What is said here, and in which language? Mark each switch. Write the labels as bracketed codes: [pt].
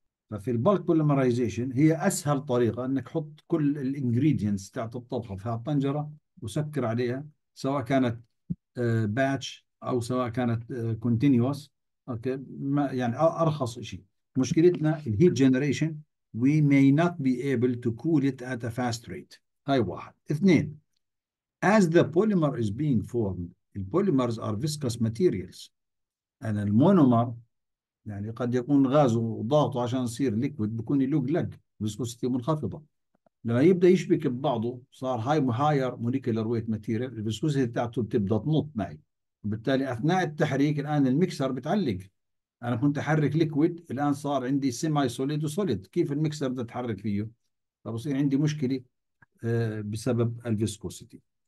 [ar] ففي البلك بوليمرايزيشن هي اسهل طريقه انك حط كل الانجريدينتس تاعت الطبخه في هالطنجره وسكر عليها، سواء كانت باتش او سواء كانت كونتينيوس. اوكي، ما يعني ارخص شيء. مشكلتنا الهيت جنريشن، [en] We may not be able to cool it at a fast rate. [ar] هاي واحد. [en] اثنين، As the polymer is being formed, the polymers are viscous materials. And the monomer, [ar] يعني قد يكون غازه وضغطه عشان يصير ليكويد بكون يلوج لج، فيسكوستي منخفضه. لما يبدا يشبك ببعضه صار هاي هاير موليكولر ويت ماتيريال، الفيسكوستي بتاعته بتبدا تنط معي. وبالتالي اثناء التحريك الان الميكسر بتعلق. انا كنت احرك ليكويد، الان صار عندي سيماي سوليد وسوليد، كيف الميكسر بده يتحرك فيه؟ فبصير عندي مشكله بسبب الفيسكوستي.